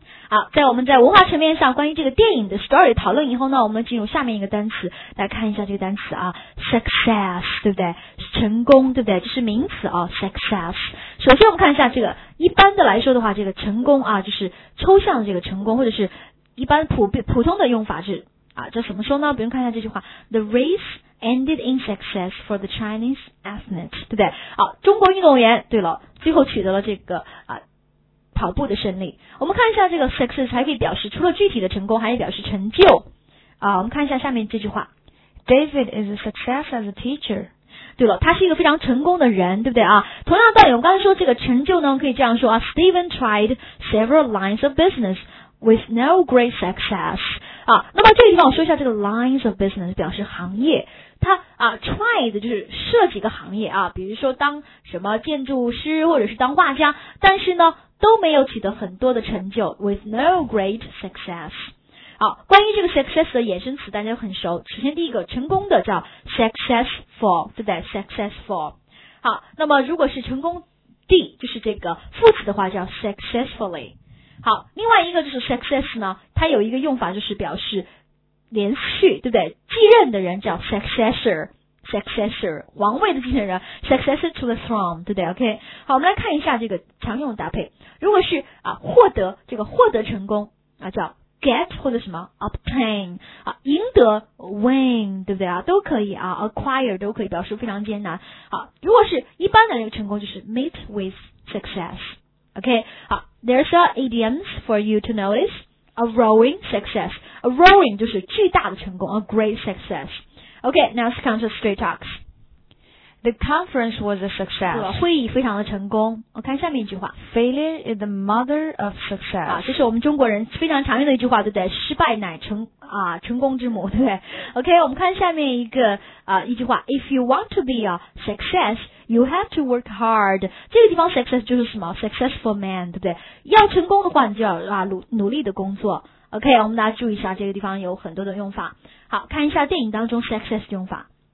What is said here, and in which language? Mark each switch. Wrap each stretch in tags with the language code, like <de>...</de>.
<zh>好，在我们在文化层面上关于这个电影的 story 讨论以后呢，我们进入下面一个单词，来看一下这个单词啊， success， 对不对？成功，对不对？这是名词啊， success。首先我们看一下这个，一般的来说的话，这个成功啊，就是抽象的这个成功，或者是一般普通的用法是啊，这怎么说呢？比如看一下这句话，</zh> <en>The race ended in success for the Chinese athlete，</en> <zh>对不对？好，中国运动员，对了，最后取得了这个啊跑步的胜利。我们看一下这个 success 还可以表示除了具体的成功，还可以表示成就啊。我们看一下下面这句话，</zh> <en>David is a success as a teacher。</en> <zh>对了，他是一个非常成功的人，对不对啊？同样道理，我们刚才说这个成就呢，可以这样说啊，</zh> <en>Steven tried several lines of business with no great success</en> <zh>啊。那么这个地方我说一下这个</zh> <en>lines of business</en> <zh>表示行业，他啊 tried 就是设计一个行业啊，比如说当什么建筑师或者是当画家，但是呢都没有取得很多的成就</zh> <en>with no great success。</en> <zh>好，关于这个 success 的衍生词大家很熟，首先第一个成功的叫 successful， 对不对？ successful。好，那么如果是成功地就是这个副词的话叫 successfully。好，另外一个就是 success 呢，它有一个用法就是表示连续，对不对？继任的人叫 successor。</zh> <en>Successor,</en> <zh>皇位的继承人</zh> <en>,successor to the throne,</en> <zh>对不对</zh> <en>,OK?</en> <zh>好我们来看一下这个常用的搭配。如果是啊获得这个获得成功啊叫 get 或者什么 ,obtain, 啊赢得 ,win, 对不对啊都可以啊 ,acquire 都可以表示非常艰难。好如果是一般的这个成功就是</zh> <en>meet with success,</en> <zh>OK?、Okay?</zh> <en>好 ,there's a idioms for you to notice, a roaring success, a roaring</en> <zh>就是巨大的成功</zh> <en>,a great success. Okay, now let's come to straight talks. The conference was a success.</en> <zh>会议非常的成功。我看下面一句话。</zh> <en>Failure is the mother of success.</en> <zh>啊，这是我们中国人非常常用的一句话，对不对？失败乃成啊成功之母，对不对 ？Okay, 我们看下面一个啊一句话。</zh> <en>If you want to be a success, you have to work hard.</en> <zh>这个地方 success 就是什么 ？</zh> <en>Successful man,</en> <zh>对不对？要成功的话，你就要啊努力的工作。OK, 我们大家注意一下这个地方有很多的用法。好看一下电影当中 success 的用法。</zh>